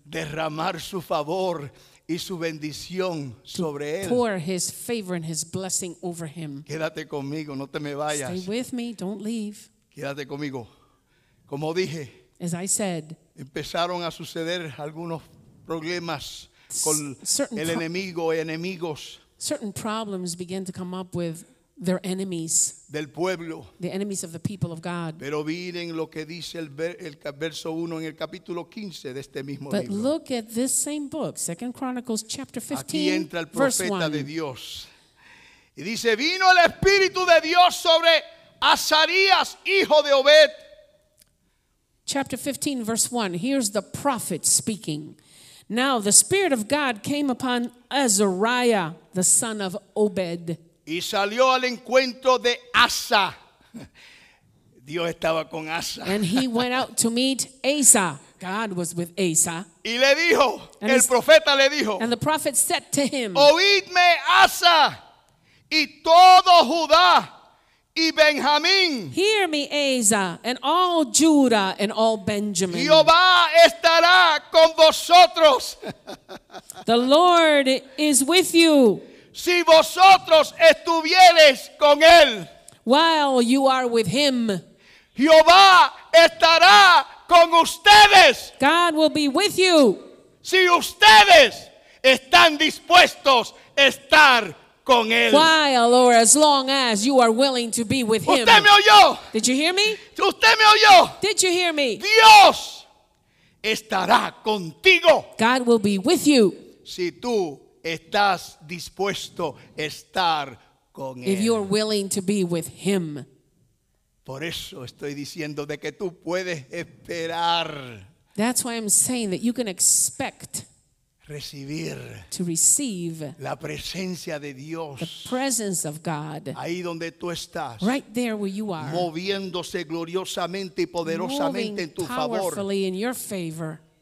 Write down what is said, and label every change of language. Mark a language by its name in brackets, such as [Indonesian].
[Spanish] Derramar su favor y su bendición sobre él. [English] Pour his favor and his blessing over him. [Spanish] Quédate conmigo, no te me vayas. [English] Stay with me, don't leave. [Spanish] Quédate conmigo. Como dije, [English] As I said, [Spanish] empezaron a suceder algunos problemas con el enemigo y enemigos. [English] Certain problems began to come up with their enemies [Spanish] del pueblo [English] the enemies of the people of God [Spanish] pero miren lo que dice el verso 1 en el capítulo 15 de este mismo [English] but [Spanish] libro [English] but look at this same book 2 Chronicles chapter 15 [Spanish] aquí entra el profeta de Dios y dice vino el espíritu de Dios sobre Azarías hijo de Obed [English] chapter 15 verse 1 here's the prophet speaking now the spirit of God came upon Azariah the son of Obed [Spanish] Y salió al encuentro de Asa. Dios estaba con Asa. [English] And he went out to meet Asa. God was with Asa. [Spanish] Y le dijo, and el profeta le dijo. [English] And the prophet said to him. [Spanish] Oídme, Asa, y todo Judá y Benjamín. [English] Hear me, Asa, and all Judah and all Benjamin. [Spanish] Jehová estará con vosotros. [English] The Lord is with you. [Spanish] Si vosotros estuvieres con él, [English] while you are with him, [Spanish] Jehová estará con ustedes. [English] God will be with you. [Spanish] Si ustedes están dispuestos a estar con él, [English] while or as long as you are willing to be with him. [Spanish] ¿Usted me oyó? [English] Did you hear me? [Spanish] ¿Usted me oyó? [English] Did you hear me? [Spanish] Dios estará contigo. [English] God will be with you. [Spanish] Si tú Estás dispuesto a estar con él. [English] If you're willing to be with him. [Spanish] Por eso estoy diciendo de que tú puedes esperar. [English] That's why I'm saying that you can expect [Spanish] recibir [English] to receive [Spanish] la presencia de Dios. [English] The presence of God. [Spanish] Ahí donde tú estás. [English] Right there where you are. [Spanish] Moviéndose gloriosamente y poderosamente en tu favor. [English] Moving powerfully in your favor.